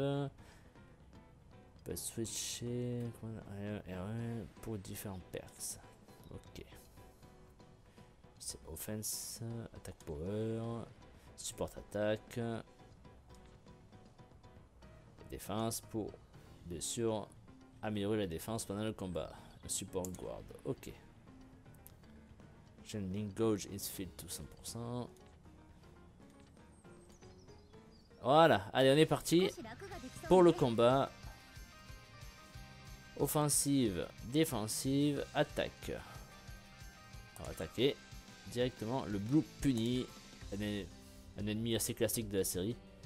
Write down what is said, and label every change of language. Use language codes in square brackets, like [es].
[fr] On peut switcher R1 pour différents perks. Ok. C'est offense, attaque power, support attaque, défense pour bien sûr améliorer la défense pendant le combat. [en] Support guard, ok. Chain link gauge is filled to 100%. [fr] Voilà, allez, on est parti pour le combat. Offensive, défensive, attaque. On va attaquer directement le Blue Puny, un ennemi assez classique de la série.